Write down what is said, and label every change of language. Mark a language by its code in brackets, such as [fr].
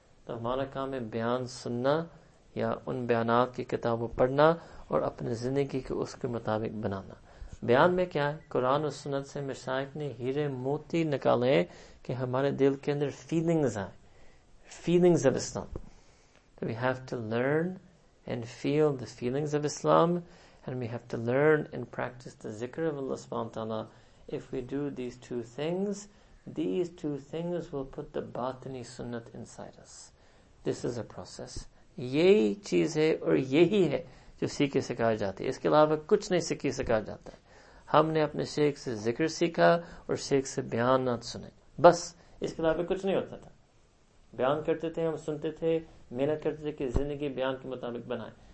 [ur] تو ہمارا کام ہے بیان سننا یا ان بیانات کی کتابوں پڑھنا اور اپنے زندگی کو اس کے مطابق بنانا. بیان میں کیا ہے, قرآن و سنت سے مشائخ نے ہیرے موتی نکالے کہ ہمارے دل کے اندر فیلنگز آئیں, [en] Feelings of Islam. We have to learn and feel the feelings of Islam, and we have to learn and practice the ذکر of Allah سبحانہ تعالیٰ. If we do these two things will put the باطنی سنت inside us. This is a process. [ur] یہی چیز ہے اور یہی ہے جو سیکھے سکھایا جاتی ہے, اس کے علاوہ کچھ نہیں سیکھی سکھایا جاتا ہے. ہم نے اپنے شیخ سے ذکر سیکھا اور شیخ سے بیانات سنے, بس اس کے علاوہ کچھ نہیں ہوتا تھا. بیان کرتے تھے ہم, سنتے تھے, محنت کرتے تھے کہ زندگی بیان کے مطابق بنائیں.